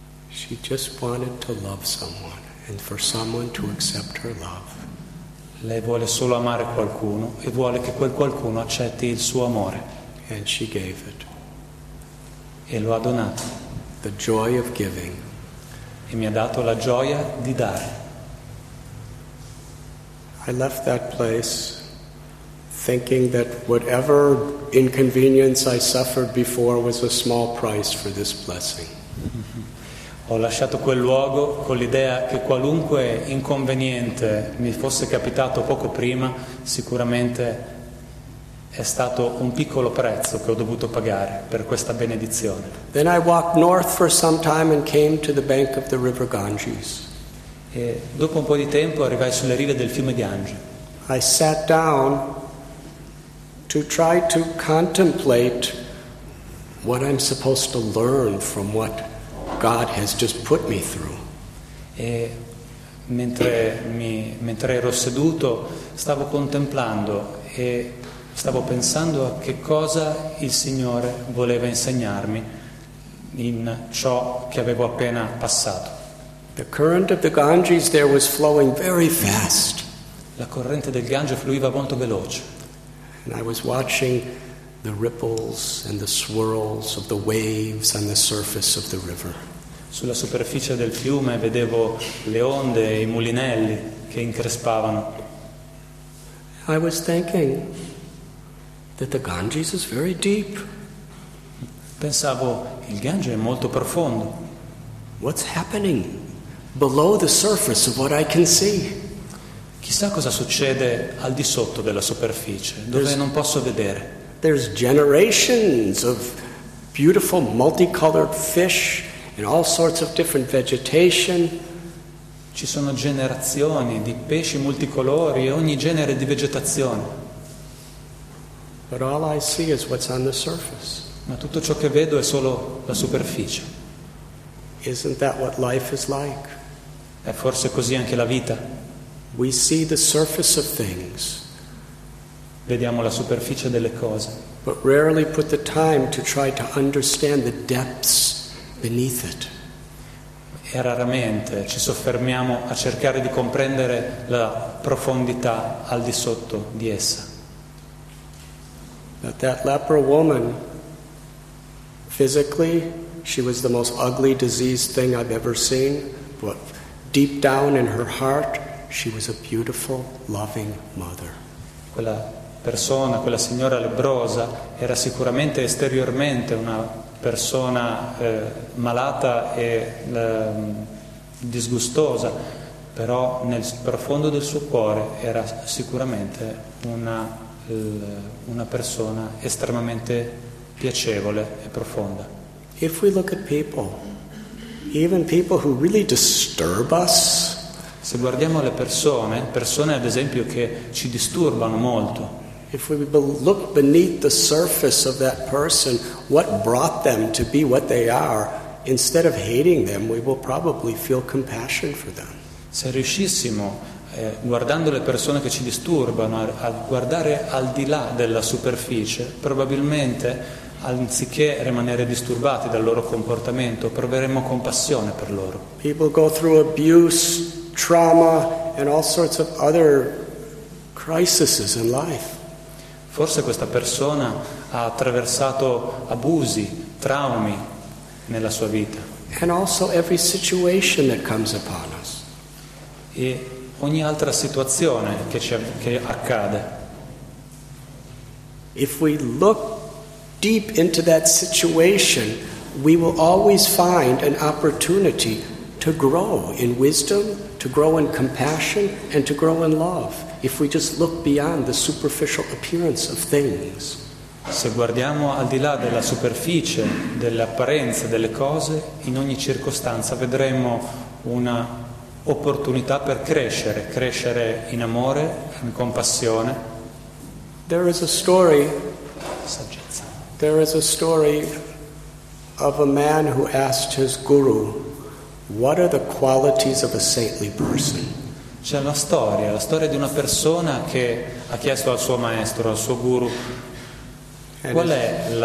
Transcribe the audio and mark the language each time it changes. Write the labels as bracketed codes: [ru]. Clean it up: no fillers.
[en] She just wanted to love someone and for someone to accept her love. [it] Lei vuole solo amare qualcuno e vuole che quel qualcuno accetti il suo amore. [en] And she gave it. [it] E lo ha donato. [en] The joy of giving. [it] E mi ha dato la gioia di dare. [en] I left that place thinking that whatever inconvenience I suffered before was a small price for this blessing. [it] Ho lasciato quel luogo con l'idea che qualunque inconveniente mi fosse capitato poco prima, sicuramente è stato un piccolo prezzo che ho dovuto pagare per questa benedizione. [en] Then I walked north for some time and came to the bank of the river Ganges. [it] E dopo un po' di tempo arrivai sulle rive del fiume Gange. [en] I sat down to try to contemplate what I'm supposed to learn from what God has just put me through. [it] E mentre ero seduto, stavo contemplando e stavo pensando a che cosa il Signore voleva insegnarmi in ciò che avevo appena passato. [en] The current of the Ganges there was flowing very fast. [it] La corrente del Gange fluiva molto veloce. [en] And I was watching the ripples and the swirls of the waves on the surface of the river. [it] Sulla superficie del fiume vedevo le onde e i mulinelli che increspavano. [en] I was thinking that the Ganges is very deep. [it] Pensavo, il Gange è molto profondo. [en] What's happening below the surface of what I can see? [it] Chissà cosa succede al di sotto della superficie, dove [en] there's, [it] non posso vedere. [en] There's generations of beautiful multicolored fish and all sorts of different vegetation. [it] Ci sono generazioni di pesci multicolori e ogni genere di vegetazione. [en] But all I see is what's on the surface. [it] Ma tutto ciò che vedo è solo la superficie. [en] Isn't that what life is like? [it] È forse così anche la vita? [en] We see the surface of things. [it] Vediamo la superficie delle cose. [en] But rarely put the time to try to understand the depths beneath it. [it] E raramente ci soffermiamo a cercare di comprendere la profondità al di sotto di essa. [en] But that leper woman, physically, she was the most ugly, diseased thing I've ever seen. But deep down in her heart, she was a beautiful, loving mother. [it] Quella persona, quella signora lebbrosa, era sicuramente esteriormente una persona malata e disgustosa, però nel profondo del suo cuore era sicuramente una persona estremamente piacevole e profonda. [en] If we look at people, even people who really disturb us, [it] se guardiamo le persone ad esempio che ci disturbano molto, [en] if we look beneath the surface of that person, what brought them to be what they are, instead of hating them, we will probably feel compassion for them. [it] Se riuscissimo, guardando le persone che ci disturbano, a guardare al di là della superficie, probabilmente, anziché rimanere disturbati dal loro comportamento, proveremmo compassione per loro. [en] People go through abuse, trauma and all sorts of other crises in life. [it] Forse questa persona ha attraversato abusi, traumi nella sua vita. [en] And also every situation that comes upon us. [it] E ogni altra situazione che ci che accade. [en] If we look deep into that situation, we will always find an opportunity to grow in wisdom, to grow in compassion, and to grow in love, if we just look beyond the superficial appearance of things. [it] Se guardiamo al di là della superficie, dell'apparenza delle cose, in ogni circostanza vedremo una opportunità per crescere, crescere in amore, in compassione. [en] There is a story. [it] Saggezza. [en] There is a story of a man who asked his guru, "What are the qualities of a saintly person?" [it] C'è la storia di una persona che ha chiesto al suo maestro, al suo guru, qual è